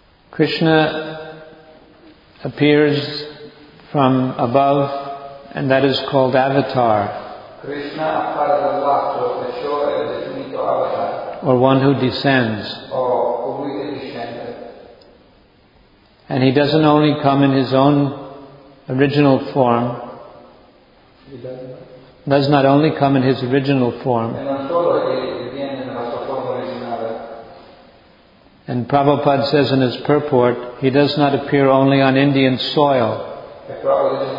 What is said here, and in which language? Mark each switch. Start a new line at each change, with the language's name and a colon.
English: Krishna appears from above, and that is called avatar.
Italian: Krishna appare dall'alto, e ciò è definito avatar.
English: Or one who descends.
Italian: Or colui che discende.
English: And he doesn't only come in his own original form. Does not only come in his original form. And Prabhupada says in his purport, he does not appear only on Indian soil.